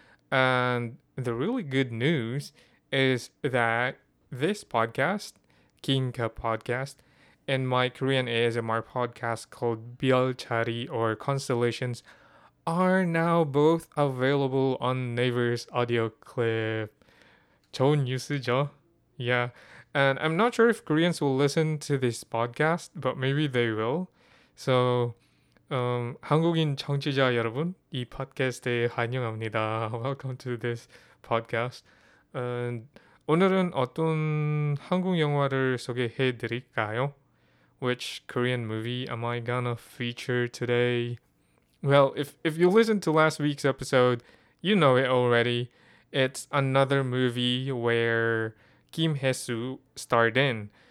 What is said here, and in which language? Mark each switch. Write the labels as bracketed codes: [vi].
[en] And the really good news is that this podcast, Kinka Podcast, and my Korean ASMR podcast called Byeolchari or Constellations are now both available on Naver's Audio Clip. [ko] 좋은 뉴스죠? [en] Yeah. And I'm not sure if Koreans will listen to this podcast, but maybe they will. [ko] So, 한국인 청취자 여러분, 이 팟캐스트에 환영합니다. [en] Welcome to this podcast. [ko] And 오늘은 어떤 한국 영화를 소개해 드릴까요? [en] Which Korean movie am I gonna feature today? Well, if you listened to last week's episode, you know it already. It's another movie where Kim Hae-soo starred in.